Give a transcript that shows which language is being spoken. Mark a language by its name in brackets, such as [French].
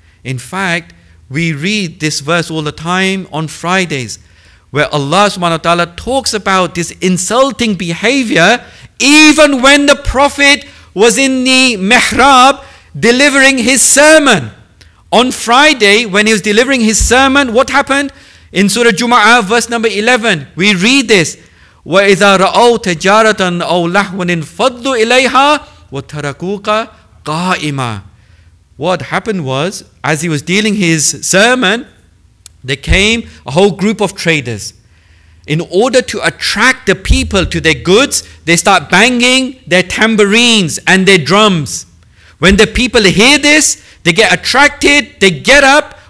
[English] In fact, we read this verse all the time on Fridays, where Allah subhanahu wa ta'ala talks about this insulting behavior, even when the Prophet was in the mihrab delivering his sermon. On Friday, when he was delivering his sermon, what happened? In Surah Jumu'ah, verse number 11, we read this: [Arabic] وَإِذَا رَأَوْا تَجَارَةً أَوْ لَحْوًا فَضُّوا إِلَيْهَا وَتَرَكُوكَ قَائِمًا. [English] What happened was, as he was dealing his sermon, there came a whole group of traders. In order to attract the people to their goods, they start banging their tambourines and their drums. When the people hear this, they get attracted, they get up,